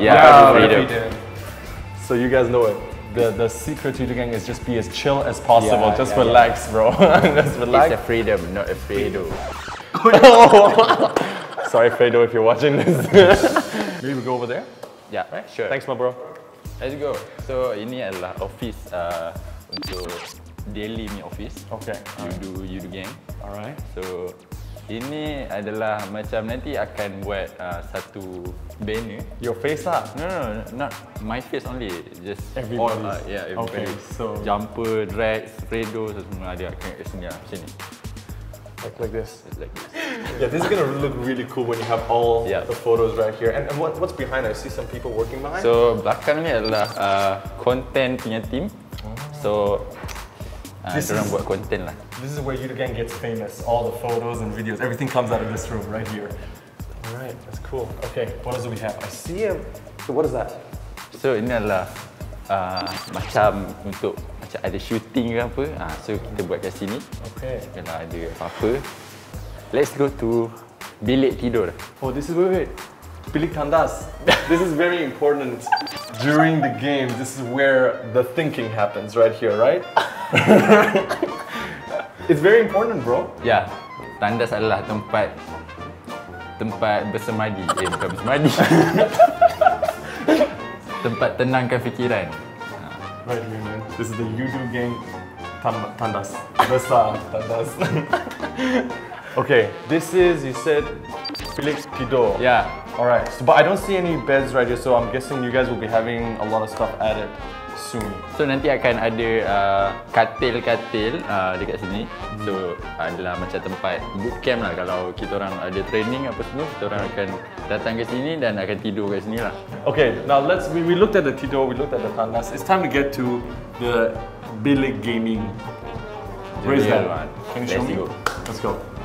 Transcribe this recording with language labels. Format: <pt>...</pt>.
<en>Yeah, freedom. So you guys know it. The secret to the gang is just be as chill as possible. Yeah, just relax, bro. Just relax. It's a freedom, not a Fredo. Sorry, Fredo, if you're watching this. Maybe we go over there? Yeah, right? Sure. Thanks, my bro. Let's go.</en> <ms>So, ini adalah office untuk daily me office.</ms> <en>Okay. You do gang. Alright.</en> <ms>So, ini adalah macam nanti akan buat satu banner.</ms> <en>Your face lah? No, not my face only. Just everybody's. All lah. Yeah, everybody. Okay, so</en> <ms>jumper, drag, Fredo, semua ada akan kat sini lah. Macam ni.</ms> <en>Like this? Like this. Yeah, this is gonna look really cool when you have all the photos right here. And what's behind? I see some people working behind.</en> <ms>So, belakang ni adalah content punya team. So, diorang buat content lah.</ms> <en>This is where Yoodo Gank gets famous. All the photos and videos, everything comes out of this room right here. Alright, that's cool. Okay, what else do we have? I see him. So what is that?</en> <ms>So ini adalah macam untuk macam ada shooting ke apa. So kita buat kat sini.</ms> <en>Okay.</en> <ms>Kalau ada apa-apa.</ms> <en>Let's go to</en> <ms>bilik tidur.</ms> <en>Oh, this is wait.</en> <ms>Bilik tandas.</ms> <en>This is very important. During the game, this is where the thinking happens right here, right? It's very important, bro.</en> <ms>Yeah, tandas adalah tempat bersemadi. Bukan bersemadi. Tempat tenangkan fikiran.</ms> <en>Right here, man. This is the Yoodo Gank tandas.</en> <ms>Besar tandas.</ms> <en>Okay, this is, you said, bilik tidur. Yeah. Alright, so, but I don't see any beds right here, so I'm guessing you guys will be having a lot of stuff added soon.</en> <ms>So nanti akan ada katil-katil dekat sini. So adalah macam tempat bootcamp lah. Kalau kita orang ada training apa semua, kita orang akan datang ke sini dan akan tidur kat sini lah.</ms> <en>Okay, now we looked at the tidur, we looked at the tandas. It's time to get to the bilik gaming. Where is that? Can you show me? Let's go.</en>